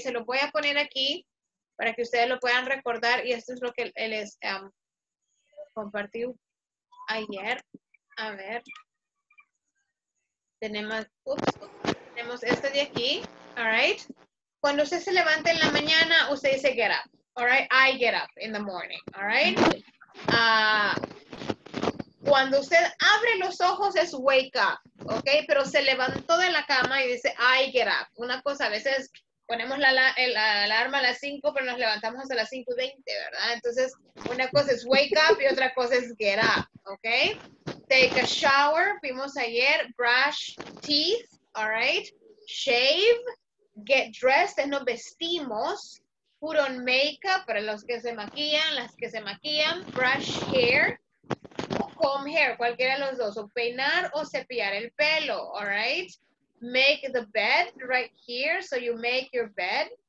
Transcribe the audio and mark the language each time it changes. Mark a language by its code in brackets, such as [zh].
[es] Se lo voy a poner aquí para que ustedes lo puedan recordar y esto es lo que les compartí ayer. A ver, tenemos este de aquí, [en] all right. [es] Cuando usted se levanta en la mañana, usted dice [en] get up, all right. I get up in the morning, all right. [es] Cuando usted abre los ojos es [en] wake up, [es] ¿ok? Pero se levantó de la cama y dice, [en] I get up. [es] Una cosa, a veces ponemos la alarma a las 5, pero nos levantamos hasta las 5:20, ¿verdad? Entonces, una cosa es [en] wake up [es] y otra cosa es [en] get up, [es] ¿ok? [en] Take a shower, vimos ayer, brush teeth, all right? Shave, get dressed, [es] es nos vestimos. [en] Put on makeup, [es] para los que se maquillan, las que se maquillan. [en] Brush hair, comb hair, [es] cualquiera de los dos. O peinar o cepillar el pelo, [en] all right? Make the bed right here, so you make your bed.